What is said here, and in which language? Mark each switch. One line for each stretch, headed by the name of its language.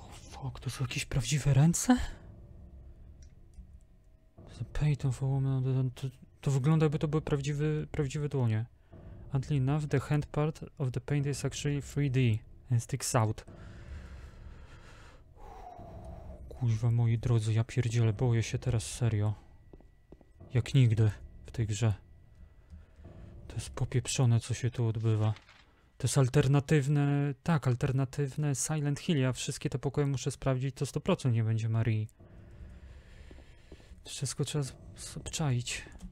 Polish: Fuck, to są jakieś prawdziwe ręce?
English: The Peyton for Woman,
Polish: to wygląda, jakby to były prawdziwe dłonie.
English: Oddly enough, the hand part of the paint is actually 3D and sticks out.
Polish: Kuźwa, moi drodzy, ja pierdzielę, boję się teraz serio. Jak nigdy w tej grze. To jest popieprzone, co się tu odbywa. To jest alternatywne, tak, alternatywne Silent Hill. Ja wszystkie te pokoje muszę sprawdzić, to 100% nie będzie Marii. Wszystko trzeba obczaić.